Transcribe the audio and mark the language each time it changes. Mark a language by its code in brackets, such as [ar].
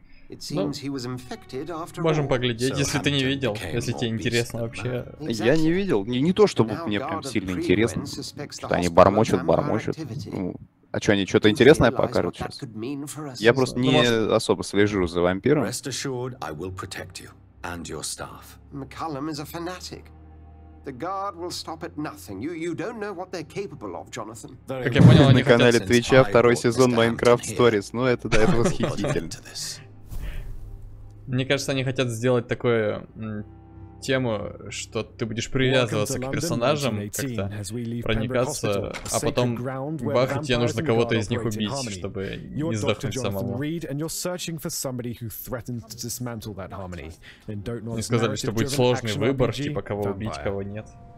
[en] It seems he was infected after. [ru] Можем поглядеть, если ты не видел, если тебе интересно вообще. Я не видел. Не то, чтобы мне прям сильно интересно. Что-то они бормочут. Ну, а что, они что-то интересное покажут сейчас? Я просто не особо слежу за вампиром. [en] Rest assured, I will protect you and your staff. McCullum is a fanatic. The guard will stop at nothing. You don't know what they're capable of, Jonathan. [ru] Как я понял, на канале Твича второй сезон Minecraft Stories. Ну, это да, это восхитительно. Мне кажется, они хотят сделать такую тему, что ты будешь привязываться к персонажам, как-то проникаться, а потом бах, и тебе нужно кого-то из них убить, чтобы не сдохнуть самому. Они сказали, что будет сложный выбор, типа кого убить, кого нет.